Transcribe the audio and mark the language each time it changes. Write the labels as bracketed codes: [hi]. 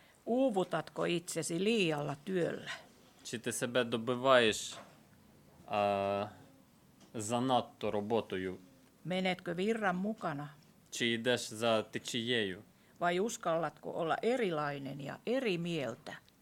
[fi] Uuvutatko itsesi liialla työllä? [uk] Чи ти себе добиваєш занадто роботою? [fi] Menetkö virran mukana? [uk] Чи йдеш за течією? [fi] Vai uskallatko olla erilainen ja eri mieltä?